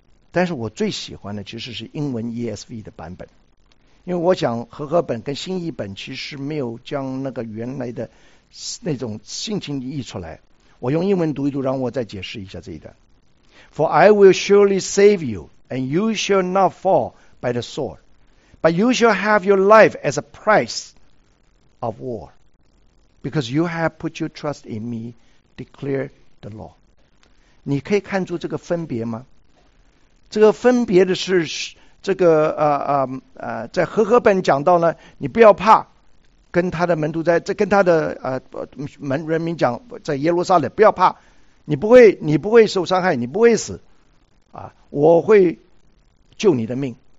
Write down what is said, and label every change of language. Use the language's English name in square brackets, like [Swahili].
[Chinese] 但是我最喜欢的其实是英文 ESV 的版本，因为我想和合本跟新译本其实没有将那个原来的那种性情译出来。我用英文读一读，让我再解释一下这一段。 [English] For I will surely save you, and you shall not fall by the sword, but you shall have your life as a price of war, because you have put your trust in me, declare the Lord. [Chinese] 你可以看出这个分别吗？这个分别的是这个在和合本讲到呢，你不要怕，跟他的门徒跟他的人民讲，在耶路撒冷不要怕，你不会受伤害，你不会死，我会救你的命。